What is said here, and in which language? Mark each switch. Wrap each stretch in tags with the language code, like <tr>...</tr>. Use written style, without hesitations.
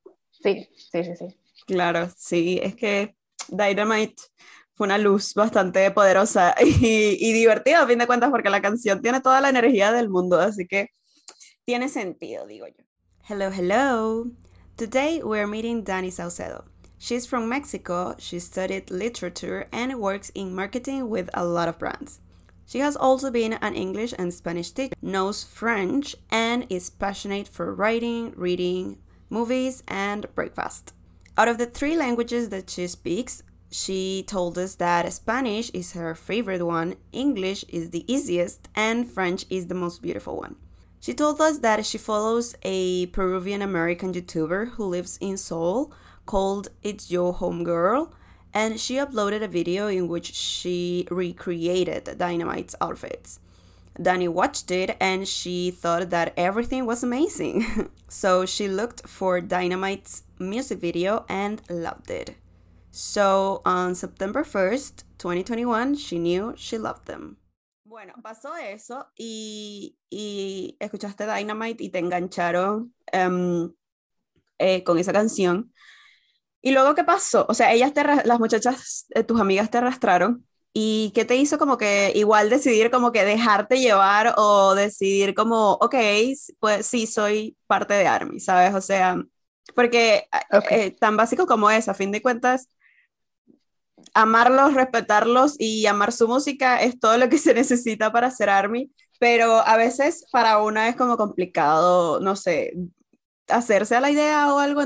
<es>Sí. Claro, sí. Es que Dynamite fue una luz bastante poderosa y divertida, a fin de cuentas, porque la canción tiene toda la energía del mundo, así que tiene sentido, digo yo.</es> <en>Hello, hello. Today, we're meeting Dani Saucedo. She's from Mexico, she studied literature and works in marketing with a lot of brands. She has also been an English and Spanish teacher, knows French, and is passionate for writing, reading, movies, and breakfast. Out of the 3 languages that she speaks, she told us that Spanish is her favorite one, English is the easiest, and French is the most beautiful one. She told us that she follows a Peruvian-American YouTuber who lives in Seoul called It's Your Homegirl, and she uploaded a video in which she recreated Dynamite's outfits. Dani watched it and she thought that everything was amazing. So she looked for Dynamite's music video and loved it. So on September 1st, 2021, she knew she loved them.</en> <es>Bueno, pasó eso y escuchaste Dynamite y te engancharon con esa canción. ¿Y luego qué pasó? O sea, las muchachas, tus amigas te arrastraron. ¿Y qué te hizo como que igual decidir como que dejarte llevar o decidir como, ok, pues sí, soy parte de ARMY, ¿sabes? O sea, porque tan básico como es, a fin de cuentas, amarlos, respetarlos y amar su música es todo lo que se necesita para ser ARMY, pero a veces para una es como complicado, no sé, hacerse a la idea o algo.</es>